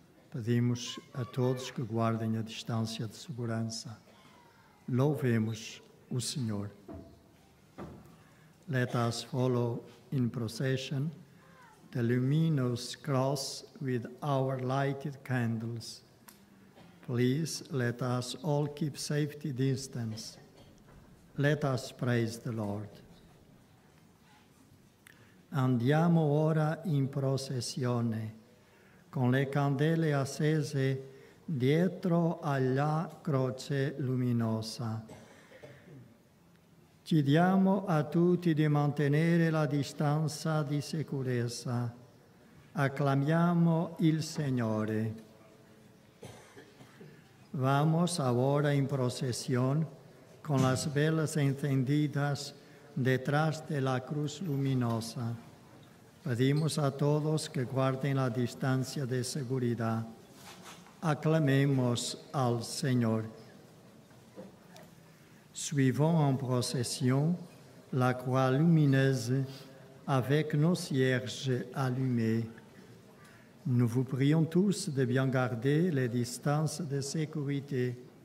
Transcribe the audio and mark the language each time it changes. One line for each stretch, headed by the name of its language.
Portuguese: Pedimos a todos que guardem a distância de segurança. Louvemos o Senhor.
English: Let us follow in procession the luminous cross with our lighted candles. Please let us all keep safety distance. Let us praise the Lord.
Italian: andiamo ora in processione, con le candele accese dietro alla croce luminosa. Ci diamo a tutti di mantenere la distanza di sicurezza. Acclamiamo il Signore.
Spanish: Vamos ahora en procesión con las velas encendidas detrás de la cruz luminosa. Pedimos a todos que guarden la distancia de seguridad. Aclamemos al Señor.
French: Suivons en procesión la croix lumineuse avec nos cierges allumés. Nous vous prions tous de bien garder les distances de sécurité.